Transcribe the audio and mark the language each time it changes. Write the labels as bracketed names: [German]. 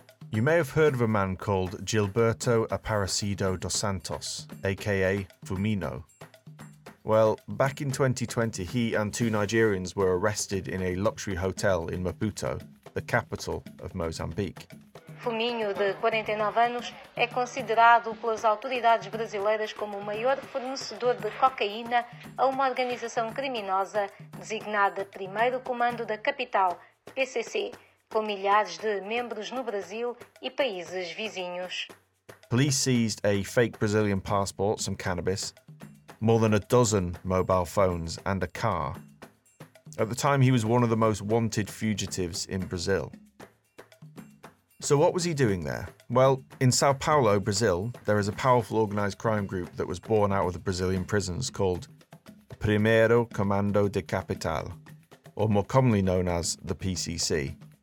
[English] You may have heard of a man called Gilberto Aparecido dos Santos, aka Fumino. Well, back in 2020, he and 2 Nigerians were arrested in a luxury hotel in Maputo, the capital of Mozambique. [Portuguese] Fumino, de 49 anos, é considerado pelas autoridades brasileiras como o maior fornecedor de cocaína a uma organização criminosa designada Primeiro Comando da Capital, PCC, com milhares de membros no Brasil e países vizinhos. [English] Police seized a fake Brazilian passport, some cannabis, more than a dozen mobile phones and a car. At the time, he was one of the most wanted fugitives in Brazil. So what was he doing there? Well, in Sao Paulo, Brazil, there is a powerful organized crime group that was born out of the Brazilian prisons called Primeiro Comando de Capital, or more commonly known as the PCC.